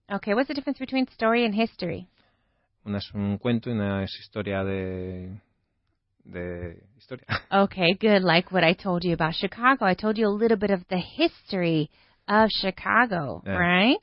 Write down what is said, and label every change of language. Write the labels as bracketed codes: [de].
[en] Okay, what's the difference between story and history? [es] Una es un cuento y una es historia de historia. [en] Okay, good. Like what I told you about Chicago. I told you a little bit of the history of Chicago, right?